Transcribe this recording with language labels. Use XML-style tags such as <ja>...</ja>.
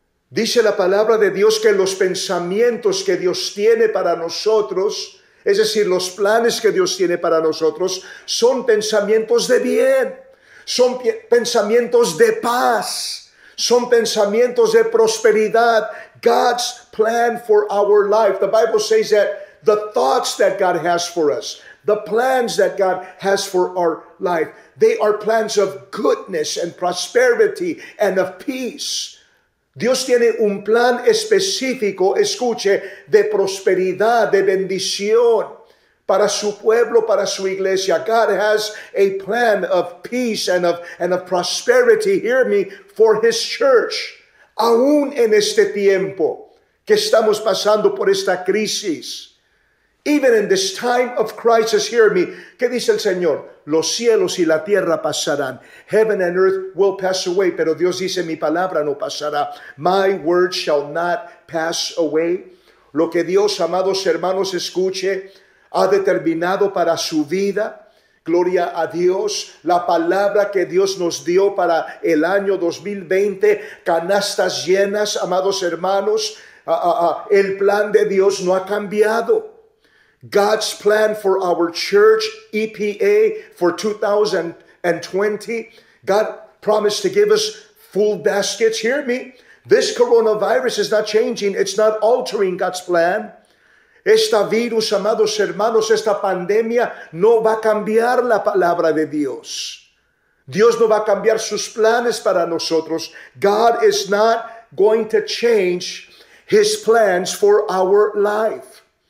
<es>Dice la palabra de Dios que los pensamientos que Dios tiene para nosotros, es decir, los planes que Dios tiene para nosotros, son pensamientos de bien, son pensamientos de paz, son pensamientos de prosperidad.</es> <en>God's plan for our life. The Bible says that the thoughts that God has for us, the plans that God has for our life, they are plans of goodness and prosperity and of peace.</en> <es>Dios tiene un plan específico, escuche, de prosperidad, de bendición para su pueblo, para su iglesia.</es> <en>God has a plan of peace and of prosperity, hear me, for his church.</en> <es>Aún en este tiempo que estamos pasando por esta crisis.</es> <en>Even in this time of crisis, hear me.</en> <es>¿Qué dice el Señor? Los cielos y la tierra pasarán.</es> <en>Heaven and earth will pass away.</en> <es>Pero Dios dice, mi palabra no pasará.</es> <en>My word shall not pass away.</en> <es>Lo que Dios, amados hermanos, escuche, ha determinado para su vida. Gloria a Dios. La palabra que Dios nos dio para el año 2020. Canastas llenas, amados hermanos. El plan de Dios no ha cambiado.</es> <en>God's plan for our church, EPA, for 2020. God promised to give us full baskets. Hear me. This coronavirus is not changing. It's not altering God's plan.</en> <es>Esta virus, amados hermanos, esta pandemia no va a cambiar la palabra de Dios. Dios no va a cambiar sus planes para nosotros.</es> <en>God is not going to change his plans for our life.</en>